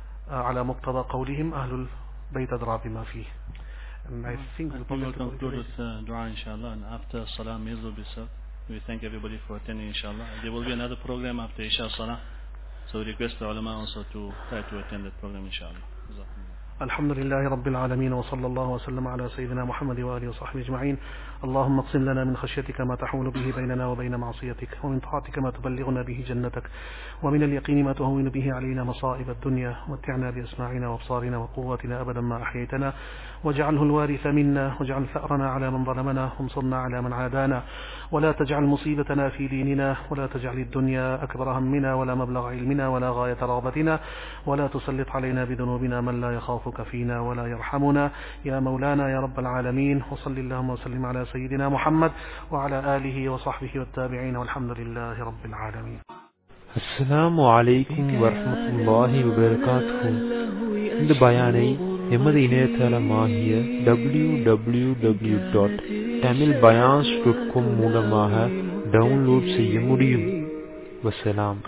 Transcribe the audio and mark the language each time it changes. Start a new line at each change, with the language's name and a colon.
Arabic: على مقتضى قولهم أهل البيت أدرى بما فيه.
English: And I think we will conclude with dua inshallah, and after salam meals will be served. We thank everybody for attending inshallah. There will be another program after Isha Salah, so we request the ulama also to try to attend that program inshallah.
Arabic: الحمد لله رب العالمين وصلى الله وسلم على سيدنا محمد وآله وصحبه أجمعين. اللهم اقسم لنا من خشيتك ما تحول به بيننا وبين معصيتك، ومن طاعتك ما تبلغنا به جنتك، ومن اليقين ما تهون به علينا مصائب الدنيا. متعنا بأسماعنا وأبصارنا وقواتنا أبدا ما أحييتنا، واجعله الوارث منا، واجعل ثأرنا على من ظلمنا، وانصرنا على من عادانا، ولا تجعل مصيبتنا في ديننا، ولا تجعل الدنيا أكبر همنا ولا مبلغ علمنا ولا غاية رغبتنا، ولا تسلط علينا بذنوبنا من لا يخافك فينا ولا يرحمنا. يا مولانا يا رب العالمين، وصل اللهم وسلم على سيدنا محمد وعلى آله وصحبه والتابعين، والحمد لله رب العالمين. السلام عليكم ورحمة الله وبركاته.
Tamil: இந்த பயானை எமது இணையதளமாகிய www.tamilbayans.com மூலமாக download செய்ய முடியும். வசலாம்.